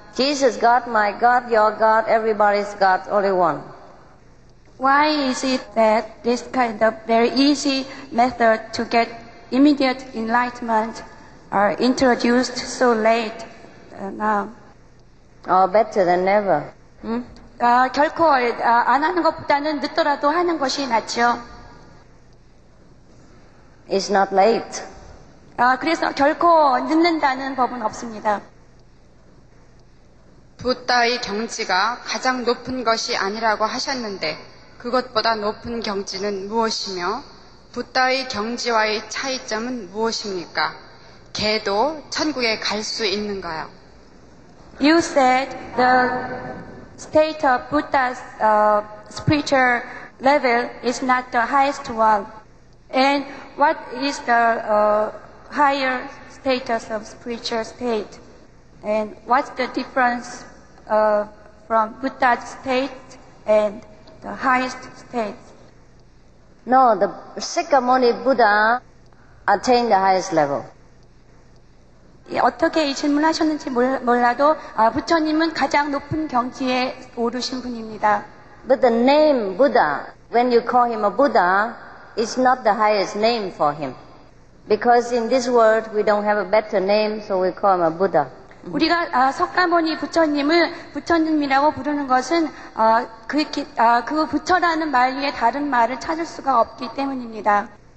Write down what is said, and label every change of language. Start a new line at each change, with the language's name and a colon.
English: Jesus, God, my God, your God, everybody's God, only one. Why is it that this kind of very easy method to get immediate enlightenment are introduced so late now? Or better than never.
Korean: 결코 안 하는 것보다는 늦더라도 하는 것이 낫죠.
English: It's not late.
Korean: 그래서 결코 늦는다는 법은 없습니다. 부다의 경지가 가장 높은 것이 아니라고 하셨는데 그것보다 높은 경지는 무엇이며 부다의 경지와의 차이점은 무엇입니까? 개도 천국에 갈 수 있는가요?
English: You said the state of Buddha's spiritual level is not the highest one. And what is the higher status of spiritual state? And what's the difference from Buddha's state and the highest state? No, the Shakyamuni Buddha attained the highest level.
Korean: 어떻게 이 질문을 하셨는지 몰라도 부처님은 가장 높은 경지에 오르신 분입니다.
English: But the name Buddha, when you call him a Buddha, is not the highest name for him. Because in this world, we don't have a better name, so we call him a Buddha.
Korean: 우리가 석가모니 부처님을 부처님이라고 부르는 것은 그 부처라는 말 위에 다른 말을 찾을 수가 없기 때문입니다.